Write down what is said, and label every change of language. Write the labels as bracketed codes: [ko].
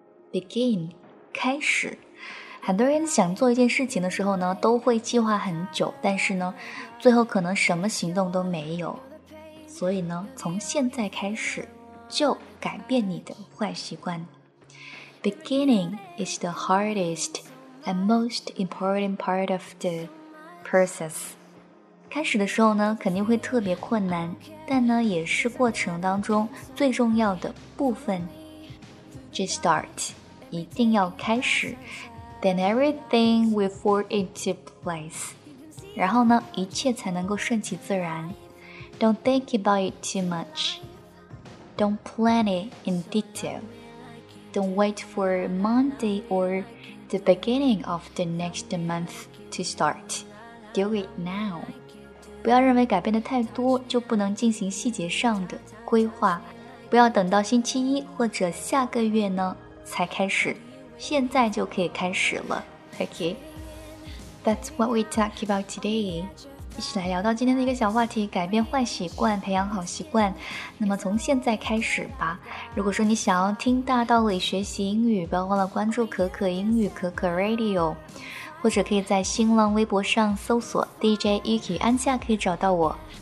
[en] Begin， [zh] 开始。很多人想做一件事情的时候呢，都会计划很久，但是呢，最后可能什么行动都没有。所以呢，从现在开始就改变你的坏习惯。 [en] Beginning is the hardest and most important part of the process. [zh] 开始的时候呢，肯定会特别困难，但呢，也是过程当中最重要的部分。 [en] Just start， [zh] 一定要开始。 [en] Then everything will fall into place. [zh] 然后呢，一切才能够顺其自然。 [en] Don't think about it too much. Don't plan it in detail. Don't wait for Monday or the beginning of the next month to start. Do it now. [zh] 不要认为改变的太多就不能进行细节上的规划。不要等到星期一或者下个月呢才开始。现在就可以开始了。 [en] Okay. That's what we talk about today. [zh] 一起来聊到今天的一个小话题，改变坏习惯，培养好习惯。那么从现在开始吧。如果说你想要听大道理学习英语，不要忘了关注可可英语可可 Radio， 或者可以在新浪微博上搜索 DJ Yuki 安夏，可以找到我。